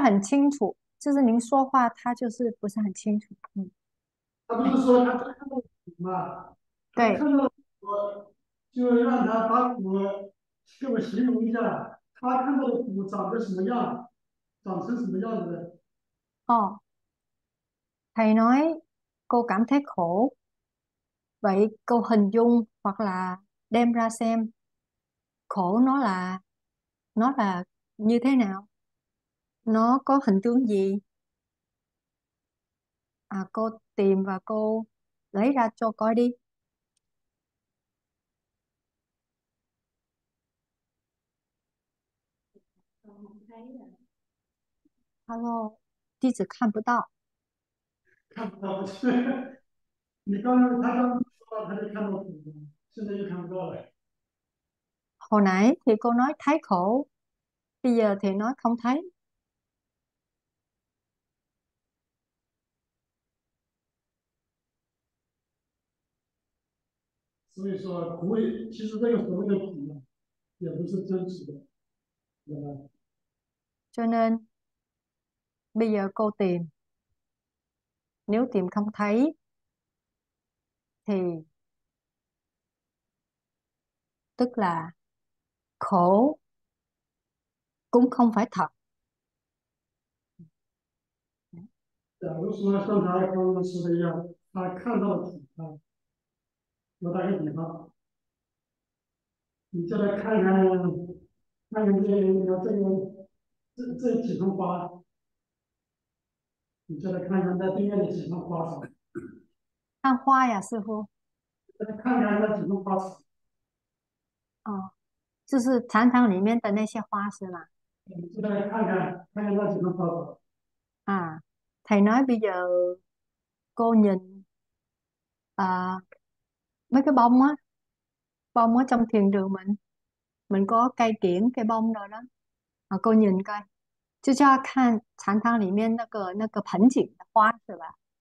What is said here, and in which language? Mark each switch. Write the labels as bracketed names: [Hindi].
[Chinese] 是很清楚，就是您说话，他就是不是很清楚。他不是说他看到嘛，他对。看到我，就让他把我给我形容一下，他看到我长得什么样，长成什么样子的。 [Vietnamese] Thầy nói cô cảm thấy khổ, vậy cô hình dung hoặc là đem ra xem khổ nó là như thế nào, nó có hình tướng gì. Cô tìm và cô lấy ra cho coi đi. [Chinese] Hello, 弟子看不到。看不到，你刚刚他刚刚说到，他就看到苦了，现在又看不到了。 [Vietnamese] Hồi nãy thì cô nói thấy khổ, bây giờ thì nói không thấy. [Chinese] 所以说，苦其实这个所谓的苦呢，也不是真实的，明白吗？ [Vietnamese] Cho nên bây giờ cô tìm, nếu tìm không thấy thì tức là khổ cũng không phải thật. [Chinese] 假如说像他刚刚说的一样，他看到了苦，我打个比方，你叫他看看，看看这几盆花，你叫他看看在对面的几盆花丛，看花呀，似乎，看看那几盆花丛。哦，就是禅堂里面的那些花是吗？你就来看看那几盆花丛。 [Vietnamese] 啊，thầy nói bây giờ cô nhìn mấy cái bông á, bông ở trong thiền trường mình có cây kiểng cây bông rồi đó, mà cô nhìn coi, chứ cho [Chinese] 看禅堂里面那个盆景的花是吧？